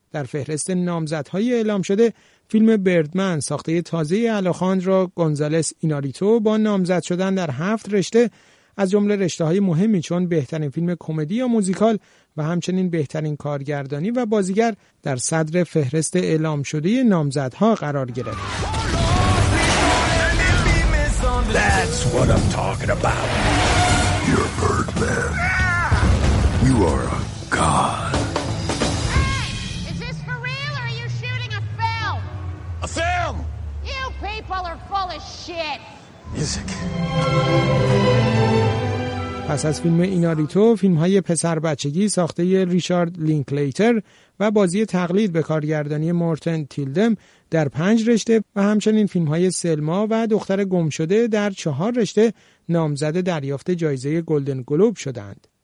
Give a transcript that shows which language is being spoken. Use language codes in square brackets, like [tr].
[fa] در فهرست نامزدهای اعلام شده فیلم بردمن ساخته تازه آلخاندرو گونزالس ایناریتو با نامزد شدن در 7 رشته از جمله رشته‌های مهمی چون بهترین فیلم کمدی یا موزیکال و همچنین بهترین کارگردانی و بازیگر در صدر فهرست اعلام شده نامزدها قرار گرفت. [en] That's what I'm talking about. You're Birdman. Yeah. You are a god. Hey, is this for real or are you shooting a film? A film. You people are full of shit. Music. [fa] پس از فیلم ایناریتو، فیلم‌های پسر بچگی ساخته ریچارد لینکلیتر و بازی تقلید به کارگردانی مورتن تیلدم در 5 رشته و همچنین فیلم‌های سلما و دختر گمشده در 4 رشته نامزد دریافت جایزه گلدن گلوب شدند.